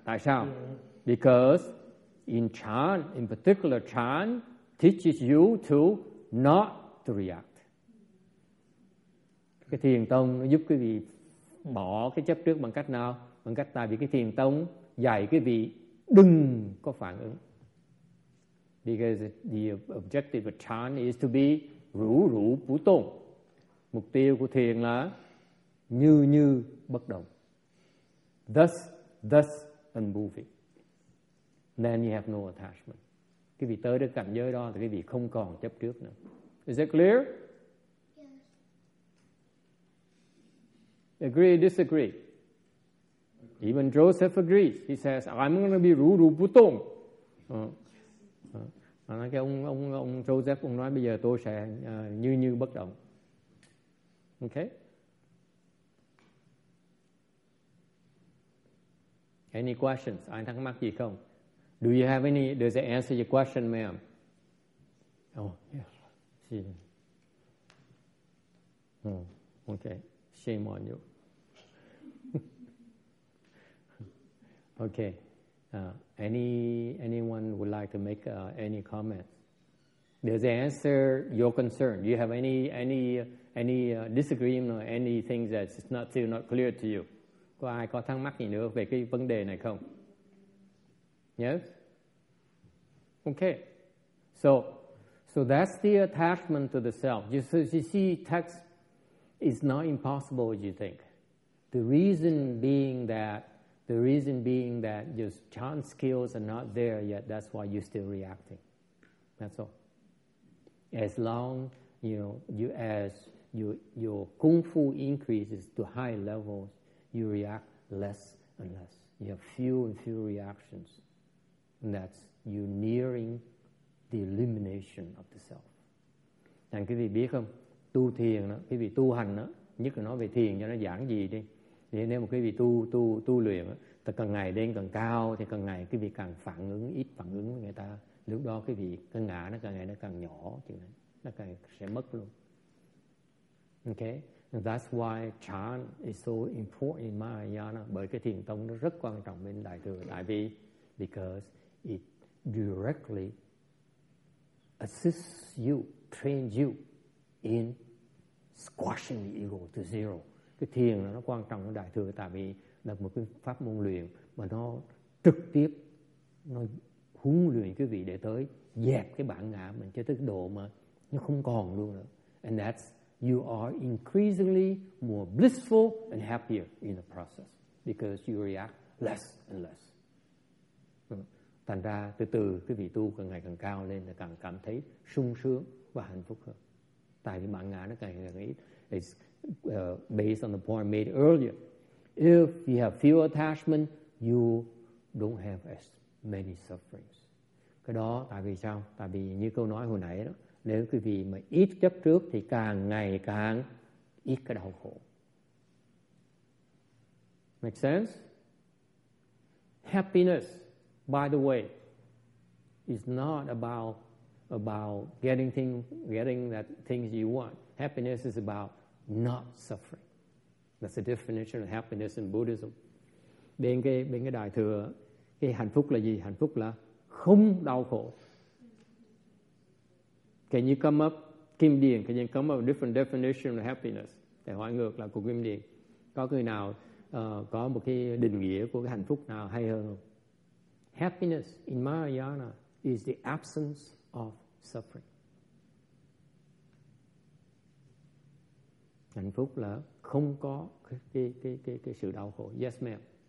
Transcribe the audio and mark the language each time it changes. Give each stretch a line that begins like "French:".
Vietnamese: Tại sao?
English: Because in chan, in particular chan, teaches you to not to react.
Vietnamese: Cái thiền tông nó giúp quý vị bỏ cái chấp trước bằng cách nào? Bằng cách tại vì cái thiền tông dạy quý vị đừng có phản ứng.
English: Because the objective of chan is to be rú rú bú tôn.
Vietnamese: Mục tiêu của thiền là như như bất động.
English: Thus unmoving. Then you have no attachment.
Vietnamese: Cái vị tới được cảnh giới đó thì cái vị không còn chấp trước nữa.
English: Is that clear? Yes. Agree or disagree? Okay. Even Joseph agrees. He says, I'm going to be rú rú bú tôn. Cái ông Joseph cũng nói bây giờ tôi sẽ như như bất động. Okay? Any questions?
Vietnamese: Ai thắc mắc gì không?
English: Do you have any? Does it answer your question, ma'am? Oh, yes. Yeah. Oh, okay. Shame on you. Okay. Anyone would like to make any comment? Does it answer your concern? Do you have any disagreement or any things that's not still not clear to you? Có ai có thắc mắc gì nữa về cái vấn đề này không? Yes. Okay, so that's the attachment to the self. You see, text is not impossible as you think. The reason being that your chan skills are not there yet, that's why you're still reacting. That's all. As long, you know, you as your kung fu increases to high levels, you react less and less. You have fewer and fewer reactions. And that's you nearing the elimination of the self.
Vietnamese: Thành quý vị biết không? Tu thiền đó, quý vị tu hành đó, nhất là nói về thiền cho nó giản dị đi. Thì nếu mà quý vị tu luyện đó, thì càng ngày lên càng cao, thì càng ngày quý vị càng phản ứng, ít phản ứng với người ta. Lúc đó quý vị cái ngã nó càng ngày nó càng nhỏ, nó càng sẽ mất luôn.
English: Okay, and that's why chan is so important in Mahayana.
Vietnamese: Bởi cái thiền tông nó rất quan trọng bên đại thừa. Tại vì
English: because it directly assists you, trains you in squashing the ego to zero.
Vietnamese: Cái thiền nó quan trọng ở đại thừa tại vì là một cái pháp môn luyện mà nó trực tiếp nó huấn luyện quý vị để tới dẹp cái bản ngã mình cho tới độ mà nó không còn luôn nữa.
English: And that's you are increasingly more blissful and happier in the process because you react less and less.
Vietnamese: Thành ra từ từ cái vị tu càng ngày càng cao lên là càng cảm thấy sung sướng và hạnh phúc hơn. Tại vì bản ngã nó càng ngày càng ít.
English: It's based on the point made earlier. If you have few attachment, you don't have as many sufferings.
Vietnamese: Cái đó tại vì sao? Tại vì như câu nói hồi nãy đó, nếu quý vị mà ít chấp trước thì càng ngày càng ít cái đau khổ.
English: Make sense? Happiness, by the way, is not about getting that things you want. Happiness is about not suffering. That's the definition of happiness in Buddhism.
Vietnamese: Bên cái đại thừa, cái hạnh phúc là gì? Hạnh phúc là không đau khổ.
English: Can you come up, Kim Điền, can you come up with a different definition of happiness?
Vietnamese: Để hỏi ngược là của Kim Điền. Có người nào có một cái định nghĩa của cái hạnh phúc nào hay hơn không?
English: Happiness in Mahayana is the absence of suffering.
Vietnamese: Hạnh phúc là không có cái sự đau khổ.
English: Yes, ma'am.